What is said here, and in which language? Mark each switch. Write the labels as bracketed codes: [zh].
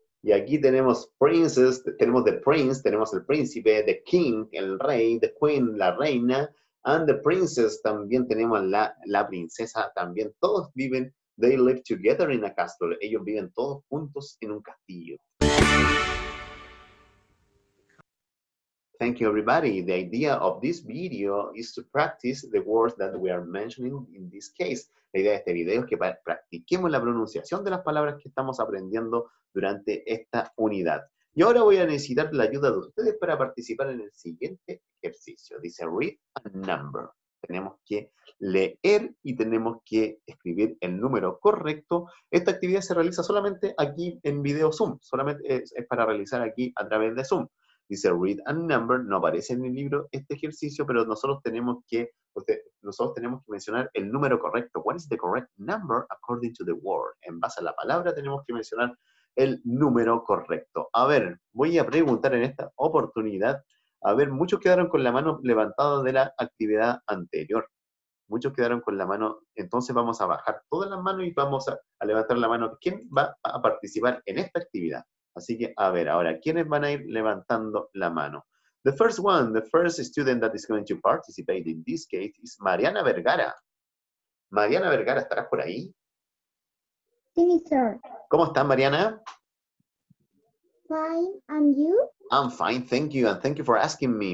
[es] Y aquí tenemos princes, tenemos [en] the prince, [es] tenemos el príncipe, [en] the king, [es] el rey, [en] the queen, [es] la reina, [en] and the princess, [es] también tenemos la princesa, también todos viven, [en] they live together in a castle, [es] ellos viven todos juntos en un castillo. [en] Thank you everybody, the idea of this video is to practice the words that we are mentioning in this case. [es] La idea de este video es que practiquemos la pronunciación de las palabras que estamos aprendiendo durante esta unidad. Y ahora voy a necesitar la ayuda de ustedes para participar en el siguiente ejercicio. Dice [en] read a number. [es] Tenemos que leer y tenemos que escribir el número correcto. Esta actividad se realiza solamente aquí en video Zoom. Solamente es para realizar aquí a través de Zoom. Dice [en] read and number, [es] no aparece en el libro este ejercicio, pero nosotros tenemos que mencionar el número correcto. [en] What is the correct number according to the word? [es] En base a la palabra tenemos que mencionar el número correcto. A ver, voy a preguntar en esta oportunidad. A ver, muchos quedaron con la mano levantada de la actividad anterior. Muchos quedaron con la mano, entonces vamos a bajar todas las manos y vamos a levantar la mano. ¿Quién va a participar en esta actividad? Así que, a ver, ahora, ¿quiénes van a ir levantando la mano? [en] The first one, the first student that is going to participate in this case is Mariana Vergara. [es] Mariana Vergara, ¿estarás por ahí? Sí, sir. ¿Cómo estás, Mariana? [en] Fine, and you? I'm fine, thank you, and thank you for asking me.